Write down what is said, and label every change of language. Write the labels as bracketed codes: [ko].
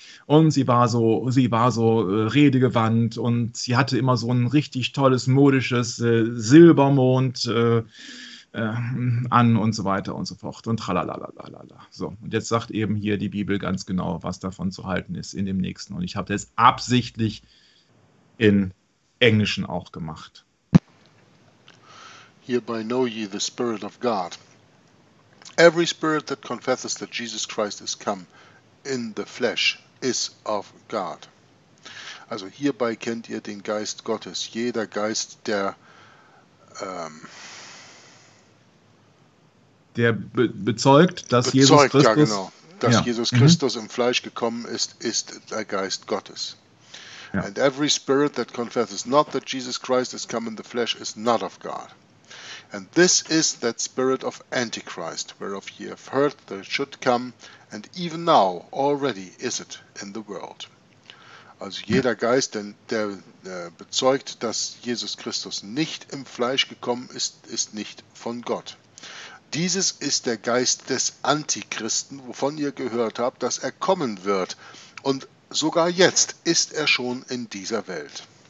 [de] Und sie war so redegewandt und sie hatte immer so ein richtig tolles, modisches Silbermond an und so weiter und so fort. Und tralalalala. So, und jetzt sagt eben hier die Bibel ganz genau, was davon zu halten ist in dem nächsten. Und ich habe das absichtlich in Englischen auch gemacht. [en] Hereby know ye the Spirit of God. Every spirit that confesseth that Jesus Christ is come in the flesh is of God. [de] Also hierbei kennt ihr den Geist Gottes. Jeder Geist, der Der bezeugt, dass Jesus bezeugt, ja Christus. genau, dass Jesus Christus im Fleisch gekommen ist, ist der Geist Gottes. [en] And every spirit that confesses not that Jesus Christ is come in the flesh is not of God. And this is that spirit of Antichrist, whereof ye have heard that it should come, and even now already is it in the world. [de] Also jeder Geist, der bezeugt, dass Jesus Christus nicht im Fleisch gekommen ist, ist nicht von Gott. Dieses ist der Geist des Antichristen, wovon ihr gehört habt, dass er kommen wird. Und sogar jetzt ist er schon in dieser Welt.